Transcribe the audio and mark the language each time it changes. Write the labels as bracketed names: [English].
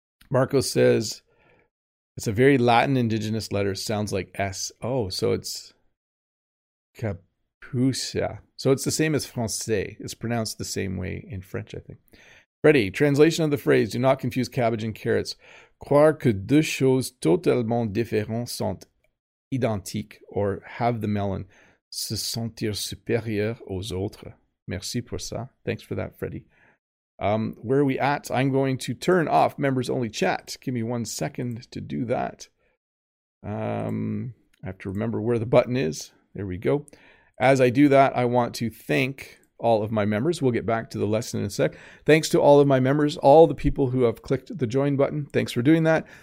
[English] Marco says, it's a very Latin indigenous letter. Sounds like S. Oh, so it's Capusa. So it's the same as Francais. It's pronounced the same way in French, I think. Freddy, translation of the phrase, do not confuse cabbage and carrots. [French] Croire que deux choses totalement différentes sont identiques, [English] or have the melon, [French] se sentir supérieur aux autres. Merci pour ça. [English] Thanks for that, Freddy. Where are we at? I'm going to turn off members only chat. Give me 1 second to do that. I have to remember where the button is. There we go. As I do that, I want to thank all of my members. We'll get back to the lesson in a sec. Thanks to all of my members, all the people who have clicked the join button. Thanks for doing that.